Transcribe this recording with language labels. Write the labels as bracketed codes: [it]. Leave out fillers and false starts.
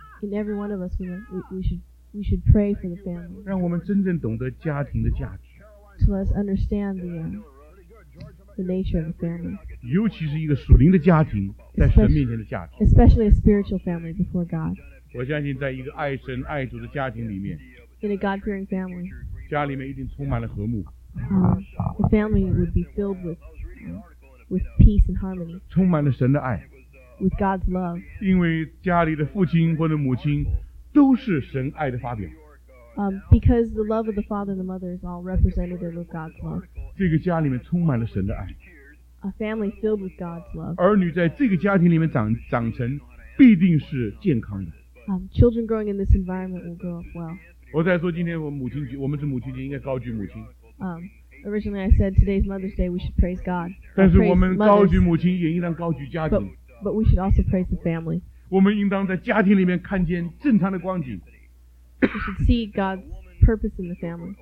[en] In every one of us, we should pray for the family. [zh] 让我们真正懂得家庭的价值。 [en] To let us understand the nature of the family. [zh] 尤其是一个属灵的家庭在神面前的价值。 [en] Especially a spiritual family before God. [zh] 我相信在一个爱神爱主的家庭里面， [en] In a God-fearing family, [zh] 家里面一定充满了和睦。 [en] The family would be filled with peace and harmony. [zh] 充满了神的爱。 [en] With God's love. [zh] 因为家里的父亲或者母亲都是神爱的发表。 [en] Because the love of the father and the mother is all representative of God's love. [zh] 这个家里面充满了神的爱。 [en] A family filled with God's love. [zh] 儿女在这个家庭里面长成必定是健康的。 [en] Children growing in this environment will grow up well. [zh] 我在说今天我们是母亲节，应该高举母亲。 [en] Originally, I said today's Mother's Day, we should praise God. [zh] 但是我们高举母亲，也应当高举家庭。 [en] But we should also praise the family. [zh] 我们应当在家庭里面看见正常的光景。 [en] We should see God's purpose in the family.